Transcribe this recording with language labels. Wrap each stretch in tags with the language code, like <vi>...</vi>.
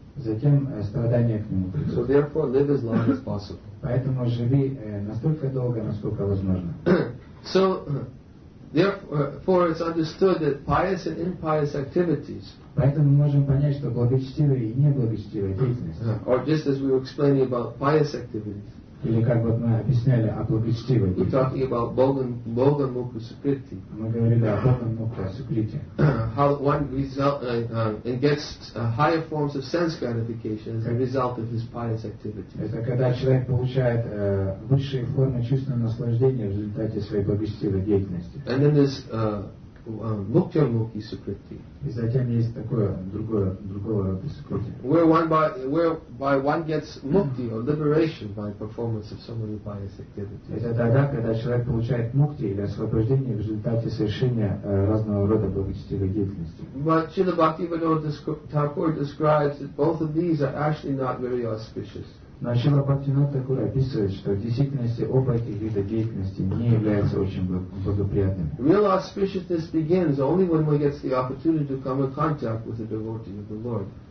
<ru>Затем страдания к нему придут.</ru> <en>So therefore live as long as possible.</en> <ru>Поэтому живи настолько долго, насколько возможно.</ru> <en>So therefore, it's understood that pious and impious activities.</en> <ru>Поэтому мы можем понять, что благочестивые и неблагочестивые деятельности.</ru> <en>Or just as we were explaining about pious activities.</en> <ru>Или как вот мы объясняли о благочестивой деятельности.</ru> <en>We're talking about bhoga mukha sukriti.</en> <ru>Мы говорили о bhoga mukha sukriti.</ru> <en>How one gets higher forms of sense gratification as a result of his pious activities.</en> <ru>Это когда человек получает высшие формы чувственного наслаждения в результате своей благочестивой деятельности.</ru> <en>And then there's mukta mukhi sukriti.</en> <ru>И затем есть такое другое рода сукрити.</ru> <en>Whereby one gets mukti or liberation by performance of so many pious activities.</en> <ru>Это тогда, когда человек получает мукти или освобождение в результате совершения разного рода благочестивой деятельности.</ru> <en>But Srila Bhaktivinoda Thakur describes that both of these are actually not very auspicious.</en> <ru>Но Шрила Бхактивинода Тхакур описывает, что в действительности оба этих вида деятельности не являются очень благоприятными.</ru> <en>Real auspiciousness begins only when one gets the opportunity to come in contact with a devotee of the Lord.</en>